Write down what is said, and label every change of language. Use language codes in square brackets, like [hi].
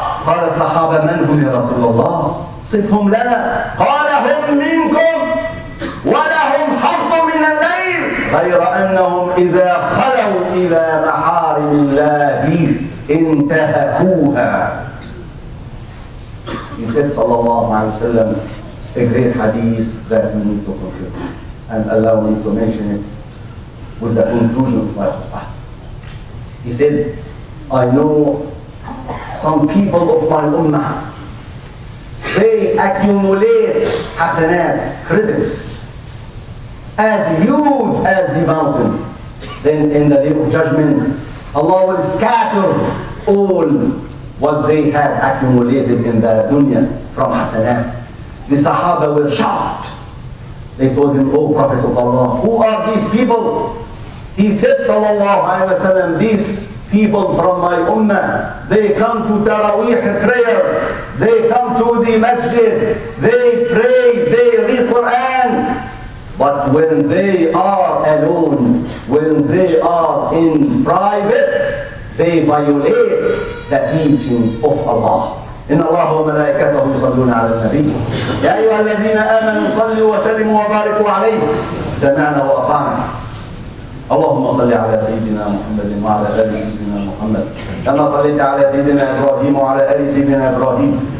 [ar] قال الصحابة, من هم يا رسول الله؟ صفهم لنا. قال, هم منكم ولهم حظ من الليل غير أنهم إذا خلوا إلى محارم الله انتهكوها. [en] He said [ar] صلى الله عليه وسلم [en] a great hadith that we need to consider, and allow me to mention it with the conclusion of my khutbah. He said, I know some people of my ummah, they accumulate hasanat, credits, as huge as the mountains. Then in the day of judgment, Allah will scatter all what they had accumulated in the dunya from hasanat. The Sahaba were shocked. They told him, O Prophet of Allah, who are these people? He said, [ar] Sallallahu Alaihi Wasallam, [en] these people from my ummah, they come to Taraweeh prayer, they come to the masjid, they pray, they read Quran. But when they are alone, when they are in private, they violate the teachings of Allah. [ar] إن الله وملائكته يصلون على النبي يا أيها الذين آمنوا صلوا وسلموا وباركوا عليه سمعنا وأطعنا اللهم صل على سيدنا محمد وعلى آل سيدنا محمد كما صليت على سيدنا إبراهيم وعلى آل سيدنا إبراهيم